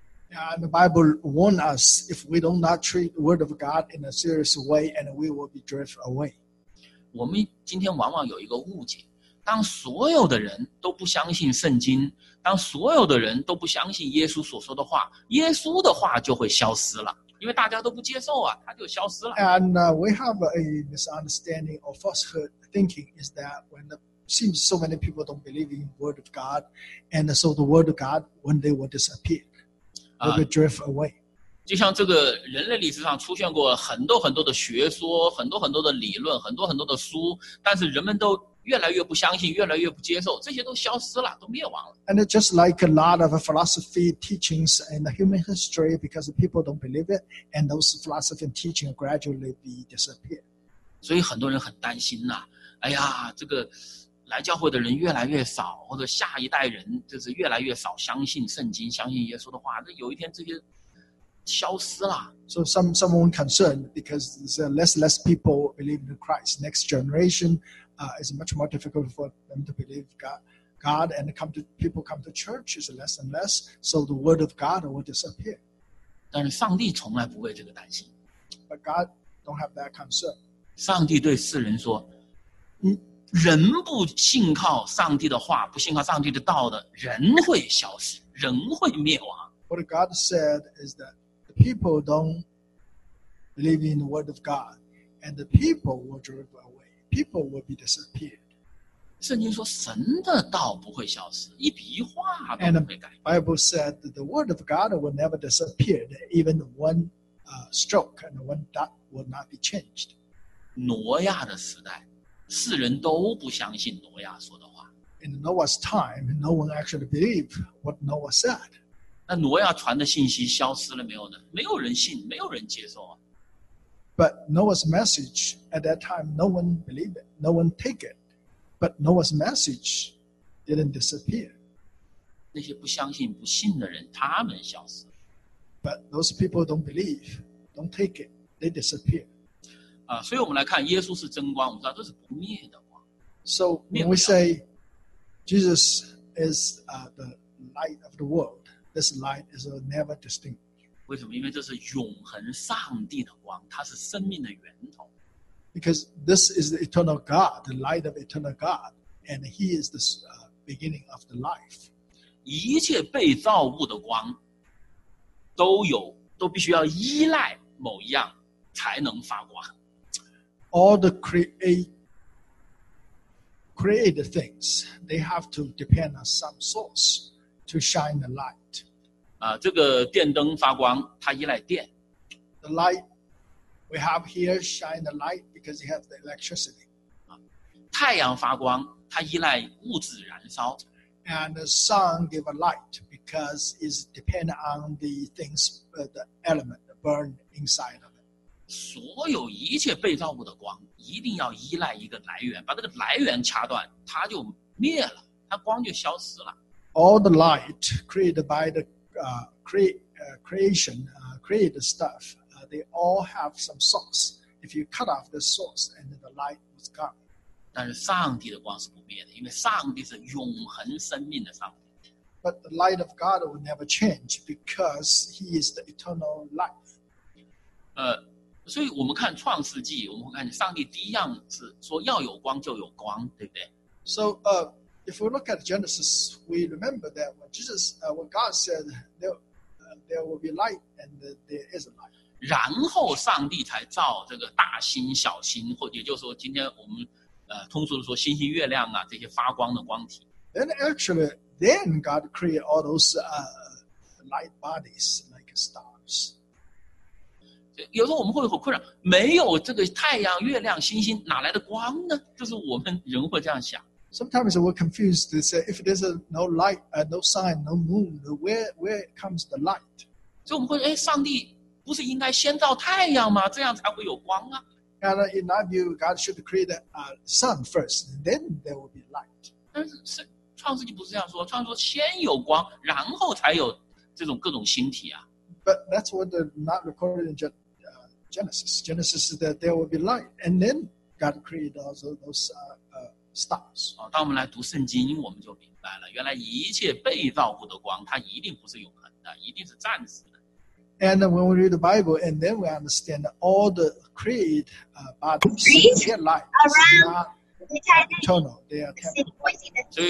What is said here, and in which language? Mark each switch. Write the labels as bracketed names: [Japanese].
[English] Yeah, and the Bible warns us if we do not treat the word of God in a serious way, and we will be drift away. [Chinese] 我们今天往往有一个误解，当所有的人都不相信圣经，当所有的人都不相信耶稣所说的话，耶稣的话就会消失了，因为大家都不接受啊，他就消失了。 [English] And we have a misunderstanding or falsehood thinking is that when the seems so many people don't believe in the word of God, and so the word of God one day will disappear. Drift away. [Chinese] 就像这个人类历史上出现过很多很多的学说，很多很多的理论，很多很多的书，但是人们都越来越不相信，越来越不接受，这些都消失了，都灭亡了。 [English] And it's just like a lot of philosophy teachings in the human history, because people don't believe it, and those philosophy and teaching gradually be disappeared. [Chinese] 所以很多人很担心呐、啊，哎呀，这个来教会的人越来越少，或者下一代人就是越来越少相信圣经，相信耶稣的话，那有一天这些消失了。 [English] So someone concerned because there's less people believe in Christ. Next generation is much more difficult for them to believe God and people come to church is less and less, so the word of God will disappear. [Chinese] 但是上帝从来不为这个担心。 [English] but God don't have that concern. [Chinese] 上帝对世人说，人不信靠上帝的话，不信靠上帝的道的，人会消失，人会灭亡。 [English] What God said is that the people don't believe in the word of God, and the people will drive away. People will be disappeared. [Chinese] 圣经说神的道不会消失，一笔一画都不会改。 [English] And the Bible said that the word of God will never disappear, even one stroke and one dot will not be changed. [Chinese] 挪亚的时代，世人都不相信挪亚说的话。 [English] In Noah's time, no one actually believed what Noah said. [Chinese] 那挪亚传的信息消失了没有呢？没有人信，没有人接受啊。 [English] But Noah's message at that time, no one believed it, no one take it. But Noah's message didn't disappear. [Chinese] 那些不相信、不信的人，他们消失了。 [English] But those people don't believe, don't take it, they disappear. [Chinese] 啊，所以我们来看，耶稣是真光，我们知道这是不灭的光。 [English] So when we say Jesus is the light of the world, this light is never extinguished. [Chinese] 为什么？因为这是永恒上帝的光，它是生命的源头。 [English] Because this is the eternal God, the light of eternal God, and He is the beginning of the life. [Chinese] 一切被造物的光，都必须要依赖某一样才能发光。 [English] All the created things, they have to depend on some source to shine the light. [Chinese] 这个电灯发光，它依赖电。 [English] The light we have here shine the light because it has the electricity. [Chinese] 太阳发光，它依赖物质燃烧。 [English] And the sun give a light because it's depend on the things, the element burned inside of it. [Chinese] 所有一切被造物的光，一定要依赖一个来源，把这个来源掐断，它就灭了，它光就消失了。 [English] All the light created by thecreated stuff, they all have some source. If you cut off the source, and the light was gone. [Chinese] 但是上帝的光是不灭的，因为上帝是永恒生命的上帝。 [English] But the light of God will never change because He is the eternal life. [Chinese] 所以我们看创世纪，我们会看见上帝第一样是说要有光就有光，对不对 [English] ？So, If we look at Genesis, we remember that when Jesus, when God said there will be light and there is light. [Chinese] 然后上帝才造这个大星、小星，或者也就是说，今天我们通俗的说，星星、月亮啊，这些发光的光体。 [English] Then actually, then God created all those light bodies like stars. [Chinese] 有时候我们会很困扰，没有这个太阳、月亮、星星，哪来的光呢？就是我们人会这样想。 [English] Sometimes we're confused to say, if there's no light, no sun, no moon, where comes the light? [Chinese] 所以我们会说，上帝不是应该先造太阳吗？这样才会有光啊。 [English] And in our view, God should create a sun first, then there will be light. [Chinese] 但是创世纪不是这样说，创世纪说先有光，然后才有这种各种星体啊。 [English] But that's what they're not recorded in Genesis. Genesis is that there will be light, and then God created also those stars. [Chinese] 当我们来读圣经，我们就明白了，原来一切被造物的光，它一定不是永恒的，一定是暂时的。 [English] And when we read the Bible, and then we understand all the created bodies get light, not eternal, they are temporary.